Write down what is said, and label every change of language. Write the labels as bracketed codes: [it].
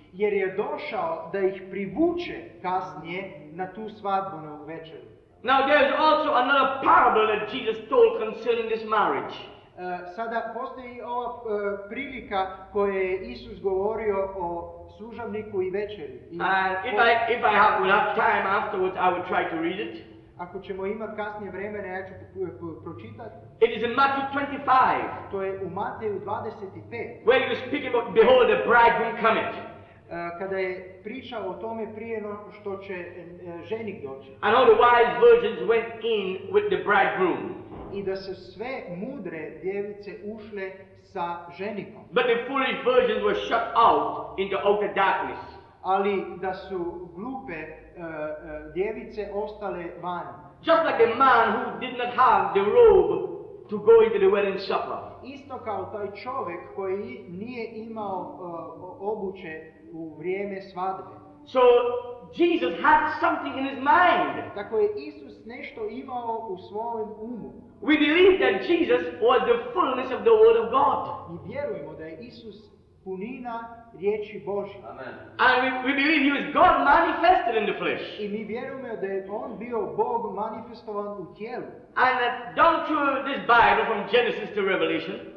[bs] Jer je došao da ih privuče kasnije na tu svadbu na večeru. [en] Now there is also another parable that Jesus told concerning this marriage. [bs] Sada postoji ova prilika koju je Isus govorio o služavniku i večeri. [en] If I have time afterwards, I will try to read it. [bs] Ako ćemo imati kasnije vremena, ja ću pročitati. [en] It is in Matthew 25. [bs] To je u Mateju 25. [en] Where you speak about behold the bridegroom coming. [bs] Kada je pričao o tome prije no što će ženik doći. [en] And all the wise virgins went in with the bridegroom. [bs] I da su sve mudre djevice ušle sa ženikom. [en] But the foolish virgins were shut out in the outer darkness. [bs] Ali da su glupe djevice ostale vani. [en] Just like a man who did not have the robe to go into the wedding supper. [bs] Isto kao taj čovjek koji nije imao obuće u vrijeme svadbe. [en] So Jesus had something in his mind. [bs] Tako je Isus nešto imao u svojem umu. [en] We believe that Jesus was the fullness of the word of God. [bs] Mi vjerujemo da je Isus punina riječi Božje. [en] Amen. And we believe he was God manifested in the flesh. [bs] I mi vjerujemo da je on bio Bog manifestovan u tijelu. [en] And don't you this Bible from Genesis to Revelation?